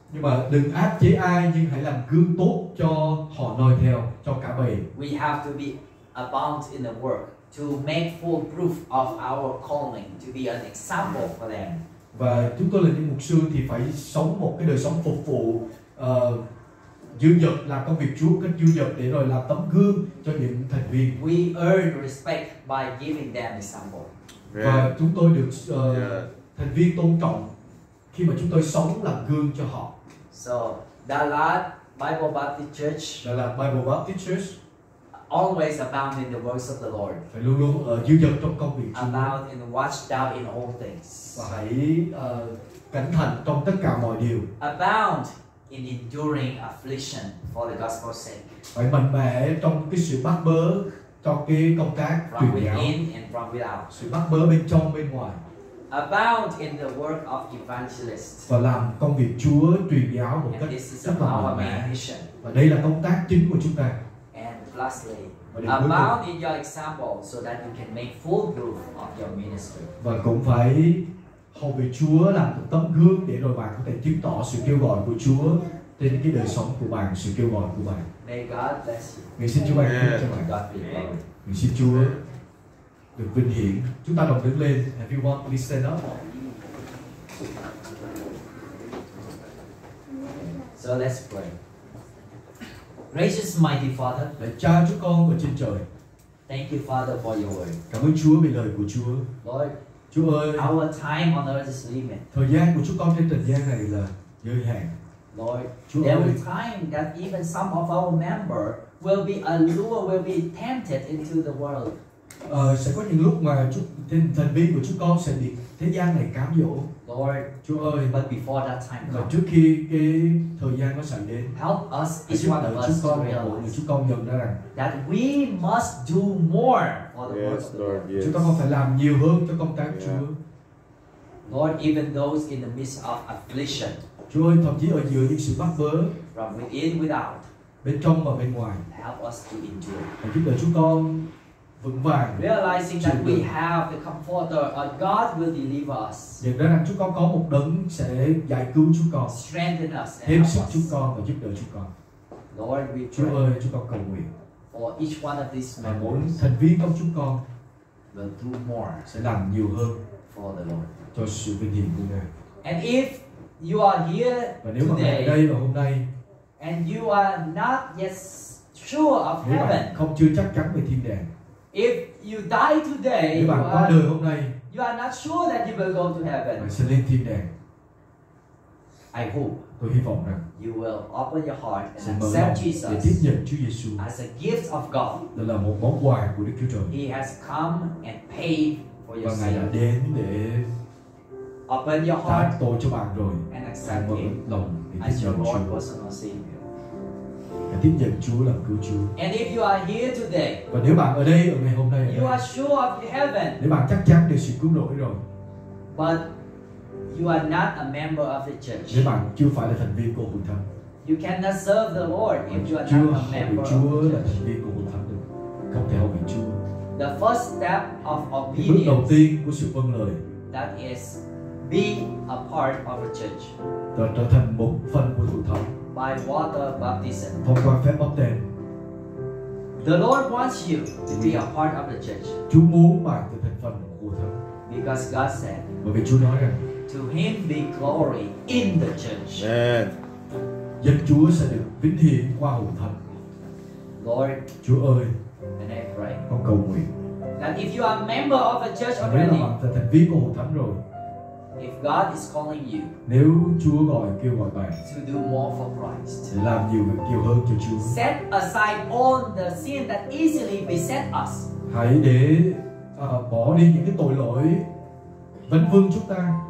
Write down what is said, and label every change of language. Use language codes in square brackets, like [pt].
[vi] Nhưng mà đừng áp chế ai, nhưng hãy làm gương tốt cho họ noi theo, cho cả bầy. [en] We have to be abound in the work to make full proof of our calling, to be an example for them. [vi] Và chúng tôi là những mục sư thì phải sống một cái đời sống phục vụ, dư dật, làm công việc Chúa cách dư dật để rồi làm tấm gương cho những thành viên. [en] We earn respect by giving them example. [vi] Và chúng tôi được thành viên tôn trọng khi mà chúng tôi sống làm gương cho họ. [en] So, Dallas Bible Baptist Church. Dallas Bible Baptist Church. Always abound in the works of the Lord. [vi] Phải luôn luôn dư dật trong công việc Chúa. [en] Abound and watch thou in all things. [vi] Và hãy cẩn thận trong tất cả mọi điều. [en] Abound in enduring affliction for the gospel's sake. [vi] Phải mạnh mẽ trong cái sự bắt bớ cho cái công tác truyền giáo. [en] From within and from without. [vi] Sự bắt bớ bên trong bên ngoài. [en] Abound in the work of evangelist. [vi] Và làm công việc Chúa truyền giáo một cách rất là mạnh mẽ. Và đây là công tác chính của chúng ta. [en] And lastly, abound in your example so that you can make full proof of your ministry. [vi] Và cũng phải hầu về Chúa làm một tấm gương để rồi bạn có thể chứng tỏ sự kêu gọi của Chúa trên cái đời sống của bạn, sự kêu gọi của bạn. [en] May God bless you. [vi] Nguyện xin Chúa ban phước cho bạn. Nguyện xin Chúa được vinh hiển. Chúng ta đồng đứng lên. [en] Everyone please stand up. So let's pray. Gracious mighty Father. [vi] Lạy Cha chúng con ở trên trời. [en] Thank you Father for your word. [vi] Cảm ơn Chúa vì lời của Chúa. [en] Lord. [vi] Chúa ơi, [en] our time on earth is limited. [vi] Thời gian của chúng con trên trần gian này là giới hạn. [en] Lord, [vi] Chúa [en] there [vi] ơi, [en] will be time that even some of our member will be allured, will be tempted into the world. [vi] Sẽ có những lúc mà thần viên của chúng con sẽ bị thế gian này cám dỗ. [en] Lord, [vi] Chúa ơi, [en] but before that time comes, [vi] trước khi cái thời gian nó sẵn đến, [en] help us each one of us to realize [vi] chúng con nhận ra rằng [en] that we must do more for the yes, Lord. Yes. [vi] Chúng ta còn phải làm nhiều hơn cho công tác Chúa. [en] Lord, even those in the midst of affliction, [vi] Chúa ơi, thậm chí ở giữa những sự bắt bớ, [en] from within without, [vi] bên trong và bên ngoài, [en] help us to endure. [vi] Và giúp đỡ chúng con. [en] Realizing that we have the Comforter, God will deliver us. [vi] Nhận ra rằng chúng con có một đấng sẽ giải cứu chúng con. [en] Strengthen us. [vi] Thêm sức chúng con và giúp đỡ chúng con. [en] Lord, we pray. [vi] Chúa ơi, chúng con cầu nguyện. [en] For each one of these members. [vi] Mỗi thành viên trong chúng con. [en] Will do more. [vi] Sẽ làm nhiều hơn. [en] For the Lord. [vi] Cho sự vinh hiển của Ngài. [en] And if you are here [vi] và nếu [en] today. [vi] Mà đây và hôm nay. [en] And you are not yet sure of heaven. [vi] Không chưa chắc chắn về thiên đàng. [en] If you die today, [vi] nếu bạn qua đời hôm nay, [en] you are not sure that you will go to heaven. [vi] Bạn sẽ lên thiên đàng. [en] I hope. [vi] Tôi hy vọng rằng [en] you will open your heart and accept Jesus. [vi] Để tiếp nhận Chúa Giêsu [en] as a gift of God. [vi] Đó là một món quà của Đức Chúa Trời. [en] He has come and paid for your sin. [vi] Và Ngài đã đến để [en] open your heart. [vi] Tha tội cho bạn rồi. [en] And accept Him. [vi] Lòng [en] as your Lord, [vi] Chúa. [en] Personal Savior. [vi] Và tiếp nhận Chúa làm cứu Chúa. [en] And if you are here today, [vi] và nếu bạn ở đây ở ngày hôm nay, [en] you are sure of heaven. [vi] Nếu bạn chắc chắn được sự cứu rỗi rồi. [en] But you are not a member of the church. [vi] Nếu bạn chưa phải là thành viên của hội thánh. [en] You cannot serve the Lord if you are [vi] chưa [en] not a member. [vi] Chúa [en] of the [vi] là thành viên của hội thánh được. Không thể hầu vị Chúa. [en] The first step of obedience. [vi] Bước đầu tiên của sự vâng lời. [en] That is be a part of the church. [vi] Trở thành một phần của hội thánh. [en] By water baptism. [vi] Thông qua phép báp têm. [en] The Lord wants you to be a part of the church. [vi] Chúa muốn bạn trở thành phần của thánh. [en] Because God said. [vi] Bởi vì Chúa nói rằng. [en] To Him be glory in the church. Amen. [vi] Danh Chúa sẽ được vinh hiển qua hội thánh. [en] Lord. [vi] Chúa ơi. [en] And I pray. [vi] Con cầu nguyện. [en] That if you are a member of the church already. [vi] Nếu bạn trở thành viên của hội thánh rồi. [en] If God is calling you, [vi] nếu Chúa gọi kêu gọi bạn, [en] to do more for Christ, [vi] để làm nhiều hơn cho Chúa, [en] set aside all the sin that easily beset us, [vi] hãy để bỏ đi những cái tội lỗi vấn vương chúng ta,